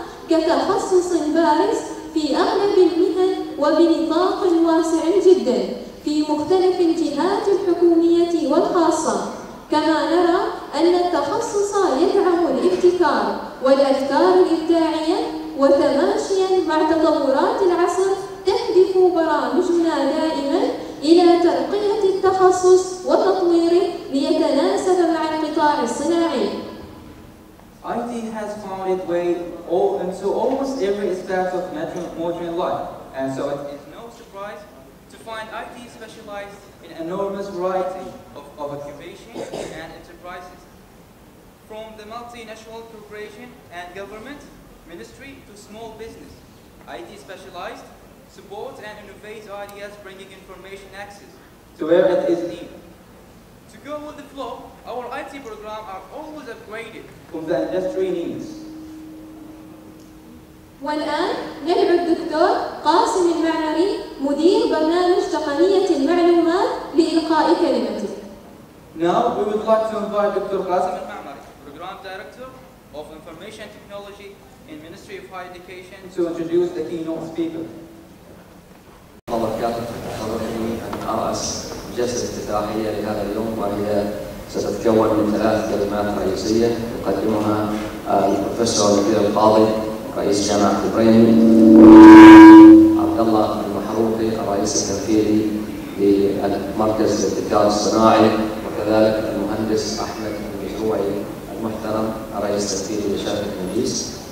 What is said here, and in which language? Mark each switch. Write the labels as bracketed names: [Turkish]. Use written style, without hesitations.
[Arabic] كتخصص بارز في أغلب المهن وبنطاق واسع جدا في مختلف الجهات الحكومية والخاصة، كما نرى أن التخصص يدعم الابتكار والأفكار الإبداعية وتماشيا مع تطورات العصر تهدف برامجنا دائما إلى ترقية التخصص وتطويره ليتناسب مع القطاع الصناعي. [English] IT has found its way into almost every aspect of modern life, and so it is no surprise to find IT specialized in enormous variety of occupations and enterprises, from the multinational corporation and government, ministry to small business. IT specialized supports and innovates ideas, bringing information access to where it is needed. To go with the flow, our IT programs are always upgraded from the industry needs. [Arabic] والآن ندعو الدكتور قاسم المعمري مدير برنامج تقنية المعلومات لإلقاء كلمته. [English] Now we would like to invite Dr. قاسم المعمري, Program Director of Information Technology in Ministry of Higher Education, to introduce the keynote speaker. [Arabic] الله يبارك فيك. حضرتني الأرأس جلسة افتتاحية لهذا اليوم, وهي ستتكون من ثلاث كلمات رئيسية يقدمها البروفيسور المدير القاضي رئيس جامعة البريني عبد الله المحروقي الرئيس التنفيذي لمركز الابتكار الصناعي, وكذلك المهندس أحمد المجروعي المحترم الرئيس التنفيذي لشركة مجيس.